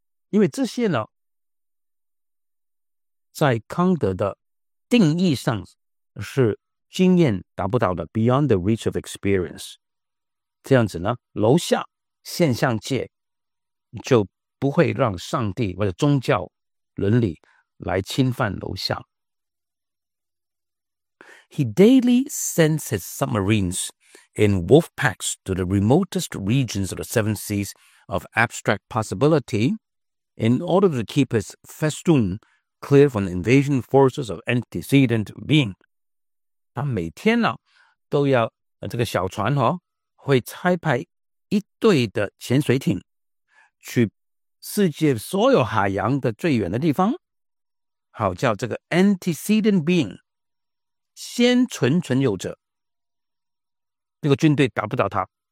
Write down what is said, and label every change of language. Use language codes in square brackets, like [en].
[zh] 因为这些呢，在康德的定义上是经验达不到的 ， [en] beyond the reach of experience。 [zh] 这样子呢，楼下现象界就不会让上帝或者宗教伦理来侵犯楼下。 [en] He daily sends his submarines. In wolf packs to the remotest regions of the seven seas of abstract possibility, in order to keep his festoon clear from the invasion forces of antecedent being. [zh] 他每天呢，都要这个小船哦，会拆派一队的潜水艇，去世界所有海洋的最远的地方，好叫这个 antecedent being 先存存有者，这个军队打不倒他。